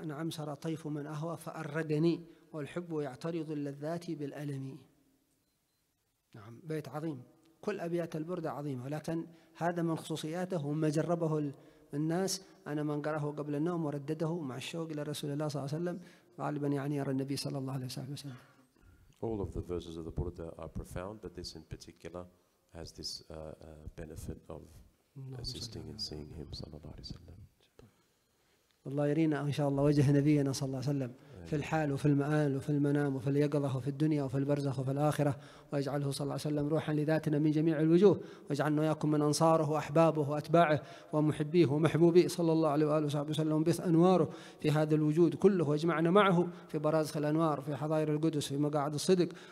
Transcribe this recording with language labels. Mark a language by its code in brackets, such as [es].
[ar] نعم سرى طيف من أهوى فأرقني والحب يعترض اللذات بالألم. نعم بيت عظيم. كل أبيات البردة عظيمة، ولكن هذا من خصوصياته وما جربه الناس. أنا من قرأه قبل النوم وردده مع الشوق لرسول الله صلى الله عليه وسلم غالبا يعني يرى النبي صلى الله عليه وسلم. [en] All of the verses of the Buddha are profound, but this in particular has this benefit of assisting and seeing him [ar] صلى الله عليه وسلم. الله يرينا إن شاء الله وجه نبينا صلى الله عليه وسلم في الحال وفي المآل وفي المنام وفي اليقظة وفي الدنيا وفي البرزخ وفي الآخرة، ويجعله صلى الله عليه وسلم روحا لذاتنا من جميع الوجوه، واجعلنا وياكم من أنصاره وأحبابه وأتباعه ومحبيه ومحبوبيه صلى الله عليه وآله وصحبه وسلم، بث أنواره في هذا الوجود كله، واجمعنا معه في برازخ الأنوار في حضائر القدس في مقاعد الصدق